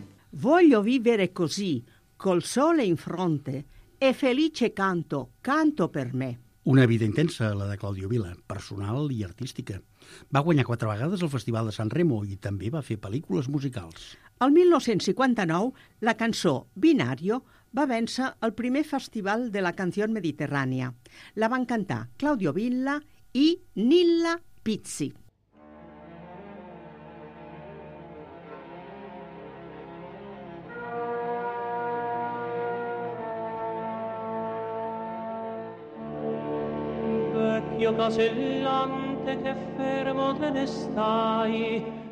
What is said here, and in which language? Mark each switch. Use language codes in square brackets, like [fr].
[it] Voglio vivere così, col sole in fronte e felice canto, canto per me. [ca] Una vida intensa, la de Claudio Villa, personal i artística. Va guanyar 4 vegades el Festival de San Remo i també va fer pel·lícules musicals. El 1959, la cançó Binario va vèncer el primer festival de la canció mediterrània. La van cantar Claudio Villa i Nilla Pizzi. [it] Vecchio casellante che fermo te ne stai,